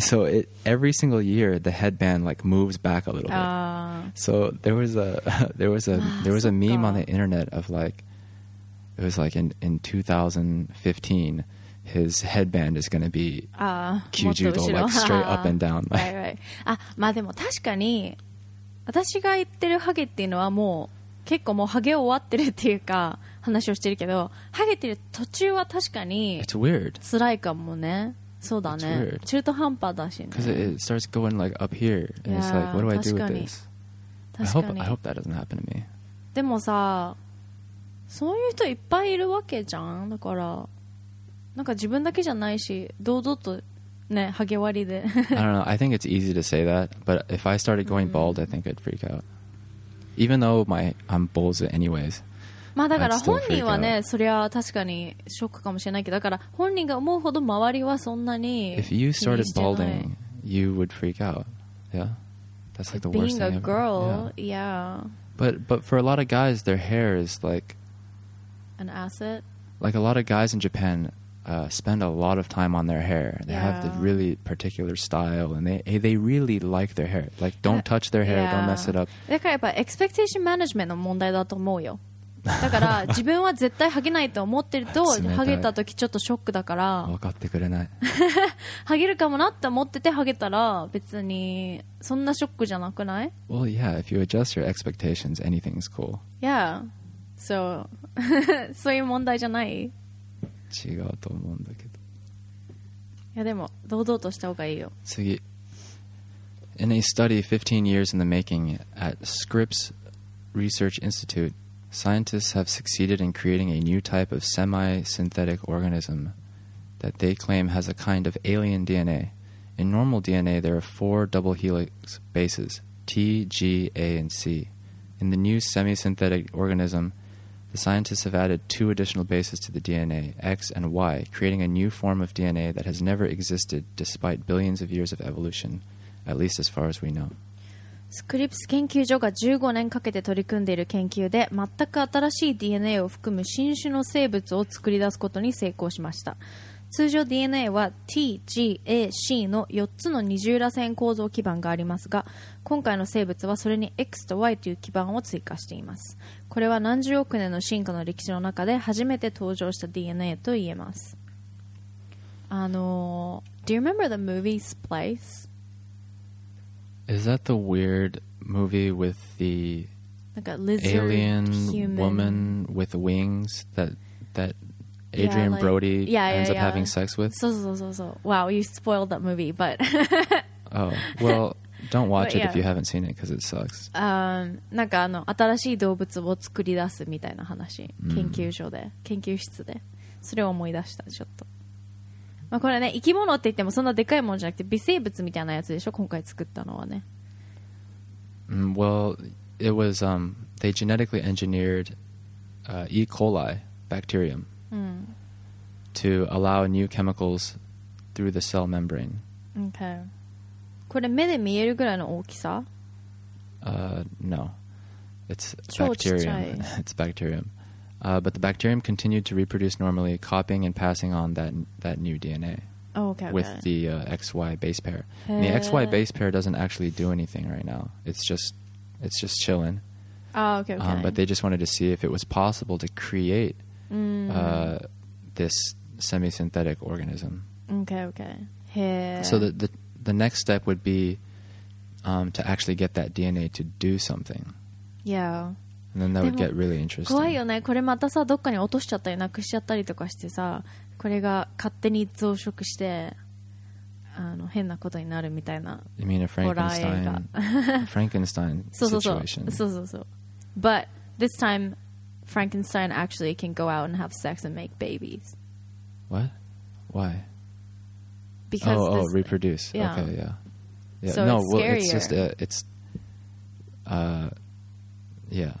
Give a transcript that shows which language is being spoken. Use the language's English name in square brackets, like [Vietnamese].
[English] So every single year, the headband like moves back a little bit. So there was a meme on the internet of like,It was like in 2015, his headband is going to be 90 度 like straight up and down. [Japanese] まあでも確かに私が言ってるハゲっていうのはもう結構もうハゲ終わってるっていうか話をしてるけど、ハゲてる途中は確かに辛いかもね。そうだね。中途半端だしね。 [English] Because it starts going like up here. And it's like, what do I do with this? I hope that doesn't happen to me. [Japanese] でもさ、そういう人いっぱいいるわけじゃん。だからなんか自分だけじゃないし、堂々とね、ハゲ割りで。 [English] I don't know. I think it's easy to say that, but if I started going bald, I think I'd freak out. Even though I'm bald anyways. [Japanese] まあだから本人はね、そりゃ確かにショックかもしれないけど、だから本人が思うほど周りはそんなに気にしてない。 [English] If you started balding, you would freak out. Yeah, that's like the worst thing ever. Being a girl, yeah. But for a lot of guys, their hair is like. An asset. Like a lot of guys in Japan spend a lot of time on their hair. They have the really particular style and they really like their hair. Like, don't touch their hair, don't mess it up. [Japanese] だからやっぱ [English] expectation management [Japanese] の問題だと思うよ。だから自分は絶対ハゲないと思ってると、ハゲた時ちょっとショックだから。分かってくれない。ハゲるかもなって思ってて、ハゲたら別にそんなショックじゃなくない？ [English] Well, yeah, if you adjust your expectations, anything's cool. Yeah. [Japanese] So, そういう問題じゃない？違うと思うんだけど。いやでも堂々とした方がいいよ。 [English] 次。In a study 15 years in the making at Scripps Research Institute, scientists have succeeded in creating a new type of semi-synthetic organism that they claim has a kind of alien DNA. In normal DNA, there are four double helix bases, T, G, A, and C. In the new semi-synthetic organism, the scientists have added two additional bases to the DNA, X and Y, creating a new form of DNA that has never existed despite billions of years of evolution, at least as far as we know. [Japanese] スクリプス研究所が15年かけて取り組んでいる研究で、全く新しい DNA を含む新種の生物を作り出すことに成功しました。通常 DNA は T、G、A、C の4つの二重らせん構造基板がありますが、今回の生物はそれに X と Y という基板を追加しています。これは何十億年の進化の歴史の中で初めて登場した DNA と言えます。 [English] Do you remember the movie Splice? Is that the weird movie with the なんか lizard, alien human. Woman with wings that Adrian yeah, like, Brody yeah, yeah, ends yeah, up yeah. having sex with. So. Wow, you spoiled that movie, but. oh, well, don't watch but, yeah. it if you haven't seen it because it sucks. [Japanese] なんかあの新しい動物を作り出すみたいな話、mm. 研究所で研究室でそれを思い出したちょっと。まあこれね生き物って言ってもそんなでかいものじゃなくて微生物みたいなやつでしょ今回作ったのはね。 [English] Well, it was they genetically engineered E. coli bacterium、mm. to allow new chemicals through the cell membrane. Okay. [Japanese] これ目で見えるぐらいの大きさ? [English] No. It's bacterium. It's bacterium. But the bacterium continued to reproduce normally, copying and passing on that new DNA. Oh, okay. With the XY base pair. And the XY base pair doesn't actually do anything right now. It's just chilling. Oh, okay. But they just wanted to see if it was possible to create this semi-synthetic organism. Okay. So the next step would be to actually get that DNA to do something. Yeah. And then that would get really interesting. [Japanese] 怖いよね。これまたさ、どっかに落としちゃったり、なくしちゃったりとかしてさ、これが勝手に増殖して、あの、変なことになるみたいな。 [English] You mean a Frankenstein? Frankenstein situation. So. But this time, Frankenstein actually can go out and have sex and make babies. What? Why? Because oh, reproduce. Yeah. Okay, yeah. Yeah. So no, it's scarier. Well, it's just, it's, yeah.